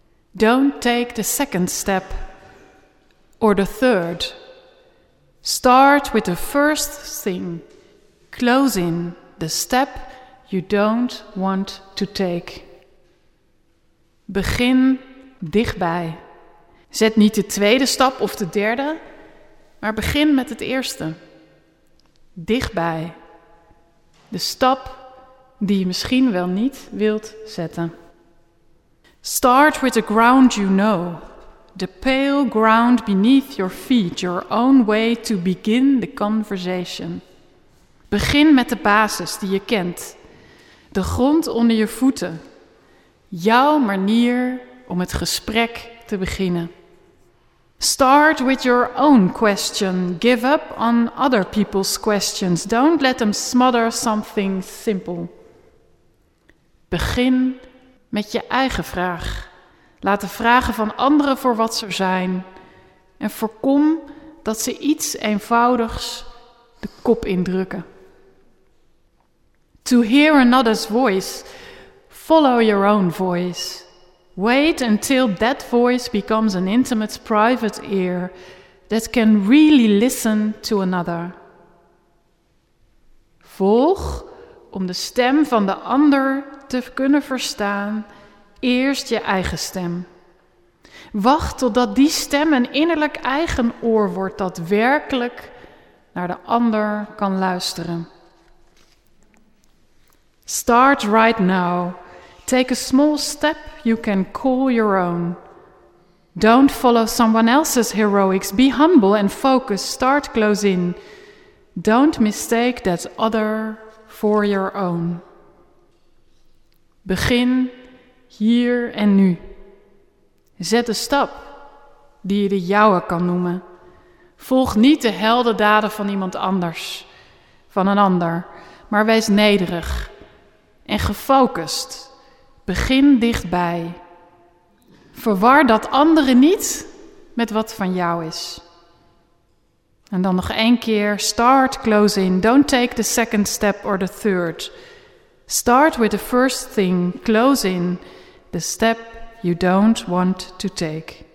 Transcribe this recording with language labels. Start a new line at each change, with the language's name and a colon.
English: Don't take the second step or the third. Start with the first thing. Close in the step you don't want to take.
Dutch: Begin dichtbij. Zet niet de tweede stap of de derde, maar begin met het eerste. Dichtbij. De stap die je misschien wel niet wilt zetten.
English: Start with the ground you know, the pale ground beneath your feet, your own way to begin the conversation.
Dutch: Begin met de basis die je kent, de grond onder je voeten, jouw manier om het gesprek te beginnen.
English: Start with your own question, give up on other people's questions, don't let them smother something simple.
Dutch: Begin met je eigen vraag. Laat de vragen van anderen voor wat ze zijn. En voorkom dat ze iets eenvoudigs de kop indrukken.
English: To hear another's voice, follow your own voice. Wait until that voice becomes an intimate private ear that can really listen to another.
Dutch: Volg om de stem van de ander te kunnen verstaan, eerst je eigen stem. Wacht totdat die stem een innerlijk eigen oor wordt dat werkelijk naar de ander kan luisteren.
English: Start right now. Take a small step you can call your own. Don't follow someone else's heroics. Be humble and focused. Start close in. Don't mistake that other for your own.
Dutch: Begin hier en nu. Zet de stap die je de jouwe kan noemen. Volg niet de heldendaden van iemand anders, van een ander, maar wees nederig en gefocust. Begin dichtbij. Verwar dat andere niet met wat van jou is. En dan nog één keer,
English: start close in. Don't take the second step or the third. Start with the first thing, close in, the step you don't want to take.